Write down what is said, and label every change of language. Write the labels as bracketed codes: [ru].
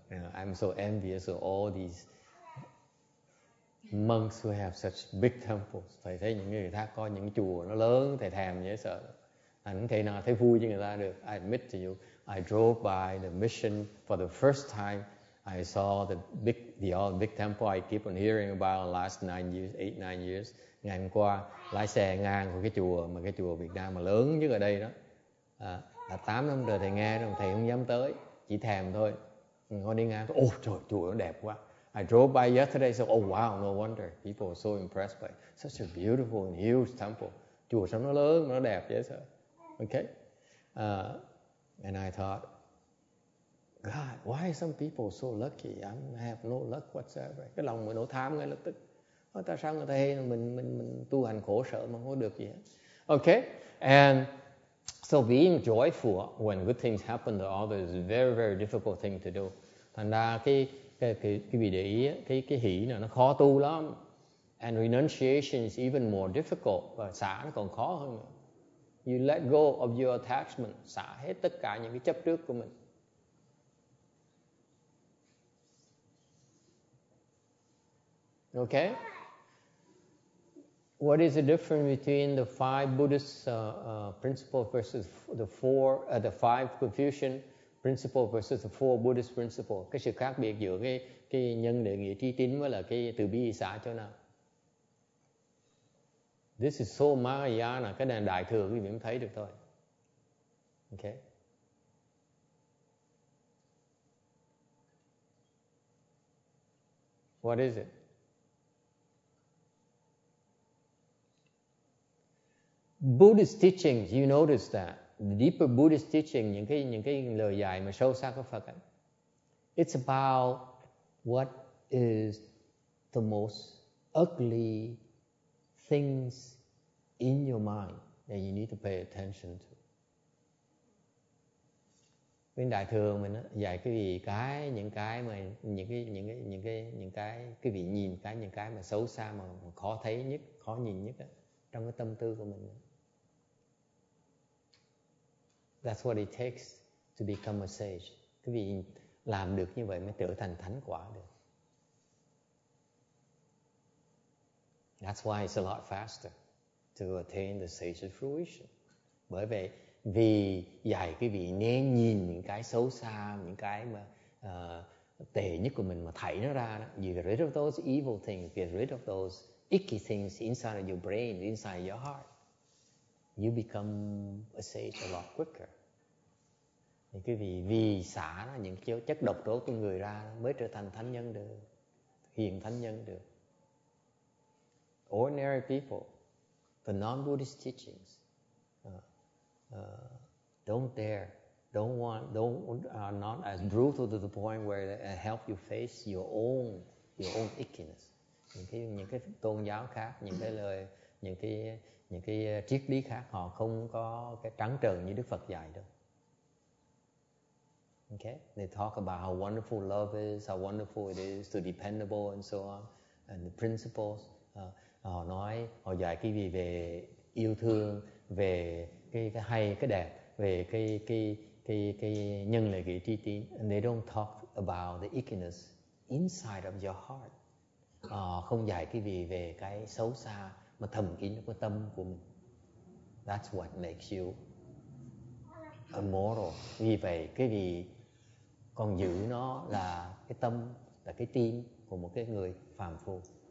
[en] I'm so envious of all these monks who have such big temples. [vi] Thầy thấy những người khác có những chùa nó lớn, thầy thèm dễ sợ. Anh thầy nào thấy vui với người ta được. [en] I admit to you, I drove by the mission for the first time. I saw the big temple I keep on hearing about the last eight nine years. [vi] Ngày hôm qua lái xe ngang của cái chùa Việt Nam mà lớn nhất ở đây đó. Là 8 năm rồi thầy nghe rồi thầy không dám tới, chỉ thèm thôi. Con đi ngang, ôi trời chùa nó đẹp quá. [en] I drove by yesterday, so oh wow, no wonder people are so impressed by it. Such a beautiful and huge temple. [vi] Chùa sao nó lớn, nó đẹp vậy sao? Okay. [en] And I thought, God, why are some people so lucky? I have no luck whatsoever. [vi] Cái lòng mình nổ tham ngay lập tức. Tại sao người ta hay mình tu hành khổ sở mà không có được gì hết? Okay. [en] And so being joyful when good things happen to others is a very, very difficult thing to do. [vi] Thành ra cái vị để ý cái hỷ này nó khó tu lắm. [en] And renunciation is even more difficult. [vi] Và xả nó còn khó hơn nữa. [en] You let go of your attachment. [vi] Xả hết tất cả những cái chấp trước của mình. Okay? [en] What is the difference between the five Buddhist principles versus the five Confucian principle versus the four Buddhist principle? [vi] Cái sự khác biệt giữa cái nhân đệ nghĩa tri tín với là cái từ bi xả chỗ nào? [en] This is so Mahayana, [vi] cái này đại thừa quý vị mới thấy được thôi. Okay. [en] What is it? Buddhist teachings, you notice that. The deeper Buddhist teaching, [vi] những cái lời dạy mà sâu sắc của Phật ấy. [en] It's about what is the most ugly things in your mind that you need to pay attention to. [vi] Bên đại thừa mình dạy cái gì cái những cái mà những cái vị nhìn cái những cái mà xấu xa mà khó thấy nhất, khó nhìn nhất đó, trong cái tâm tư của mình. [en] That's what it takes to become a sage. [vi] Quý vị làm được như vậy mới trở thành thánh quả được. [en] That's why it's a lot faster to attain the sage's fruition. [vi] Bởi vậy, vì dạy quý vị nên nhìn những cái xấu xa, những cái mà tệ nhất của mình mà thảy nó ra đó. [en] You get rid of those evil things, get rid of those icky things inside of your brain, inside your heart. You become a sage a lot quicker. [vi] Thì quý vị vì xả ra những cái chất độc tố trong người ra mới trở thành thánh nhân được, hiện thánh nhân được. [en] Ordinary people, the non-Buddhist teachings, don't dare are not as brutal to the point where they help you face your own ickiness. [vi] Những cái tôn giáo khác, những cái triết lý khác, họ không có cái trắng trợn như Đức Phật dạy đâu. [en] Okay, they talk about how wonderful love is, how wonderful it is to dependable and so on, and the principles. [vi] Họ nói, họ dạy cái gì về yêu thương, về cái hay, cái đẹp, về cái nhân lợi kỷ tri tín. [en] And they don't talk about the ickiness inside of your heart. [vi] Họ không dạy cái gì về cái xấu xa mà thầm kín trong tâm của mình. [en] That's what makes you immortal. [vi] Vì vậy, cái gì còn giữ nó là cái tâm, là cái tim của một cái người phàm phu.